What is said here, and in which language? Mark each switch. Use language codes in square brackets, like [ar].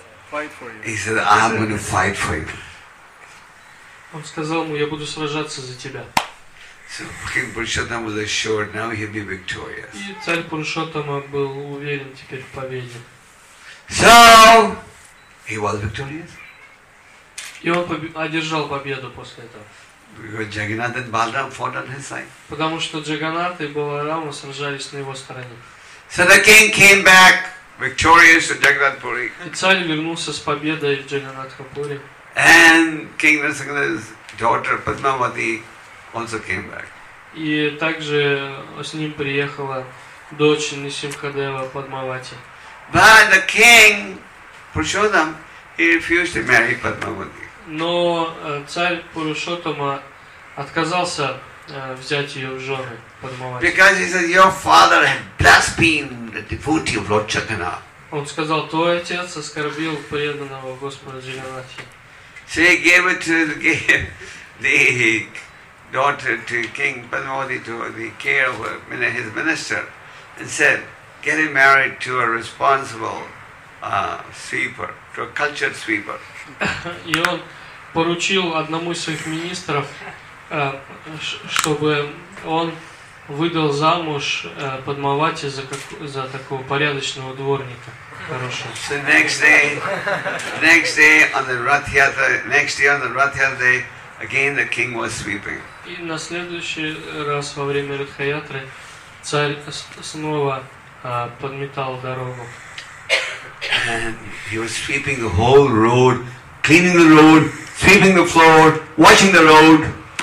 [en] Fight for you. He said, I'm going to fight for you. [ru] Он сказал ему, я буду сражаться за тебя. [en] So King Purushottam was assured, now he'll be victorious. [ru] И царь Пурушоттам был уверен теперь в победе. [en] So he was victorious. [ru] И он одержал победу после этого. [en] Because Jagannath and Balaram fought on his side. [ru] Потому что Джаганнат и Баларама сражались на его стороне. [en] So the king came back victorious to Jagannath Puri. [ru] И царь вернулся с победой в Джаганнатхапури. [en] And King Narasingha's daughter Padmavati also came back. [ru] И также с ним приехала дочь Нарисимхадева Падмавати. [en] But the king Purushottam, he refused to marry Padmavati. [ru] Но царь Пурушоттама отказался взять ее в жены, Падмавати. [en] Because he said, your father had blasphemed the devotee of Lord Jagannath. [ru] Он сказал, твой отец оскорбил преданного Господа Джаганнатхи. [en] So he gave it to the daughter to King Padmavati to the care of his minister and said, get him married to a responsible sweeper, to a cultured sweeper. [ru] И он поручил одному из своих министров, чтобы он выдал замуж Падмавати за такого порядочного дворника хорошего. [en] So next day on the Ratha Yatra, again the king was sweeping. [ru] И на следующий раз во время Ратха Ятры царь снова подметал дорогу. [en] And he was sweeping the whole road, cleaning the road, sweeping the floor, washing the road.